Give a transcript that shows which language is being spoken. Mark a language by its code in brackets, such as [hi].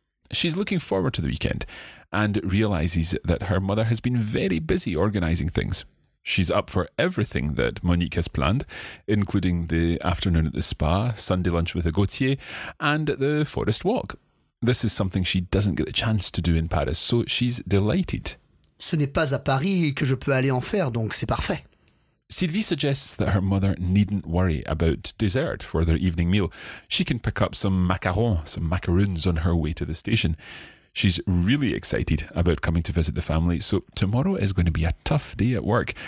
[en] She's looking forward to the weekend and realises that her mother has been very busy organising things. She's up for everything that Monique has planned, including the afternoon at the spa, Sunday lunch with a Gautier, and the forest walk. This is something she doesn't get the chance to do in Paris, so she's delighted. [fr] Ce n'est pas à Paris que je peux aller en faire, donc c'est parfait. [en] Sylvie suggests that her mother needn't worry about dessert for their evening meal. She can pick up some macaroons on her way to the station. She's really excited about coming to visit the family, so tomorrow is going to be a tough day at work.